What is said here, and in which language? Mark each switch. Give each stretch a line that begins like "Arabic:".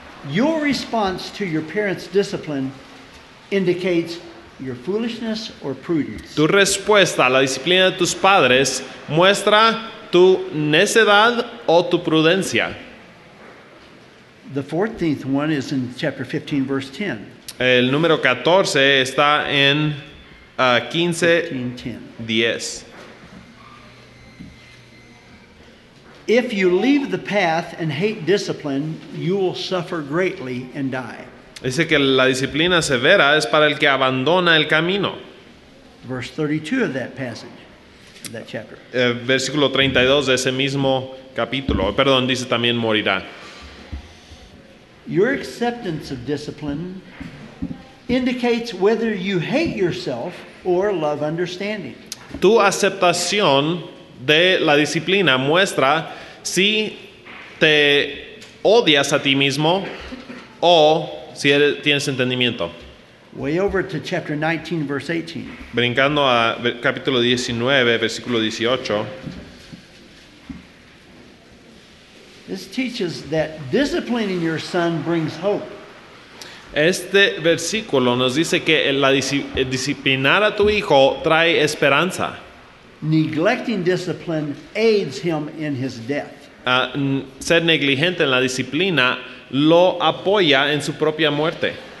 English: Your response to your parents' discipline indicates your foolishness or prudence.
Spanish: Tu respuesta a la disciplina de tus padres muestra tu necedad o tu prudencia.
English: The 14th one is in chapter 15, verse 10.
Spanish: El número 14 está en 15:10.
English: If you leave the path and hate discipline, you will suffer greatly and die.
Spanish: Dice que la disciplina severa es para el que abandona el camino.
English: Verse 32 of that passage, of that chapter.
Spanish: Versículo 32 de ese mismo capítulo. Perdón, dice también morirá.
English: Your acceptance of discipline indicates whether you hate yourself or love understanding.
Spanish: Tu aceptación de la disciplina muestra si te odias a ti mismo o si tienes entendimiento.
English: Way over to chapter 19, verse 18.
Spanish: Brincando a capítulo 19, versículo 18.
English: This teaches that disciplining your son brings hope.
Spanish: Este versículo nos dice que la disciplinar a tu hijo trae esperanza.
English: Neglecting discipline aids him in his death.
Spanish: Ser negligente en la disciplina lo apoya en su propia muerte.